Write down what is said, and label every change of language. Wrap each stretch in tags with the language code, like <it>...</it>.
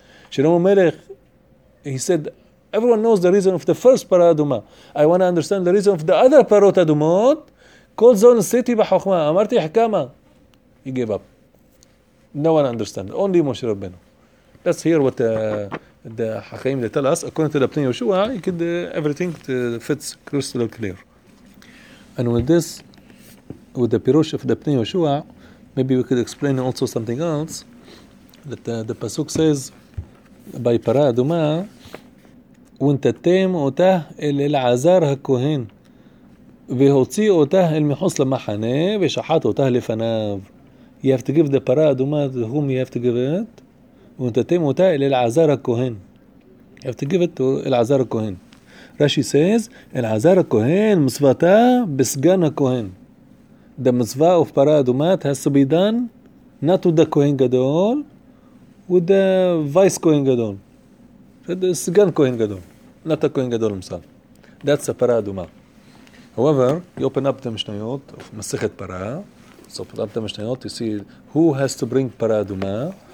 <en>Shlomo Melech, he said, everyone knows the reason of the first parot adumah. I want to understand the reason of the other parot adumot.</en> <he>Kol zon siti b'chokhmah. Amarti hikama.</he> <en>He gave up. No one understands. Only Moshe Rabbeinu. Let's hear what the Hachaim tell us. According to the Pnei Yoshua, everything fits crystal clear. And with this, with the Pirush of the Pnei Yoshua, maybe we could explain also something else. That the Pasuk says, by Parah Aduma,</en> <he>ונתתם אותה אל אלעזר הכהן והוציא אותה אל מחוץ למחנה ושחט אותה לפניו.</he> <en>You have to give the parah aduma to whom you have to give it.</en> <he>ונתתם אותה אל אלעזר הכהן.</he> <en>You have to give it to אלעזר הכהן.</en> <he>Rashi says, אלעזר הכהן מצוותה בסגן הכהן.</he> <en>The מצווה of parah aduma has to be done not with the כהן גדול, with the vice כהן גדול. It's Gan Kohen Gadol, not a Kohen Gadol himself. That's a Parah Aduma. However, you open up the Mishnayot of Masechet Parah. So open up the Mishnayot, you see who has to bring Parah Aduma.</en>